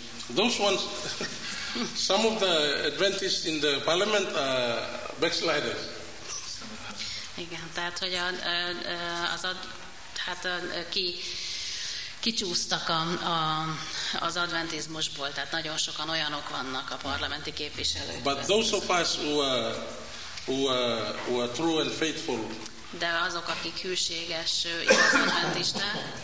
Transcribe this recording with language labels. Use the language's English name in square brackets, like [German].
[English] Those ones, some of the Adventists in the parliament are backsliders. [Hungarian] Igen, tehát hogy az a hát ki kicsúsztak az adventizmusból, tehát nagyon sokan olyanok vannak a parlamenti képviselők. [English] But those of us who are true and faithful. [Hungarian] De azok, akik hűséges az adventisták.